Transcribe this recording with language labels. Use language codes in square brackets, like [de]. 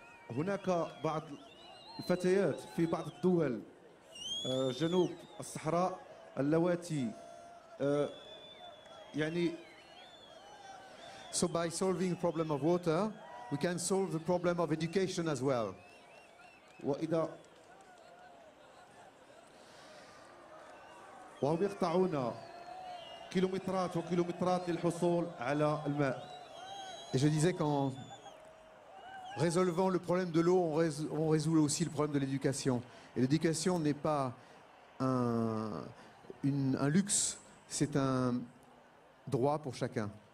[ar] هناك بعض الفتيات في بعض الدول جنوب الصحراء اللواتي يعني [en] so by solving the problem of water we can solve the problem of education as well. [ar] وإذا وهم يقطعون كيلومترات وكيلومترات للحصول على الماء. [fr] Et je disais qu'en résolvant le problème de l'eau, on résout aussi le problème de l'éducation. Et l'éducation n'est pas un luxe, c'est un droit pour chacun.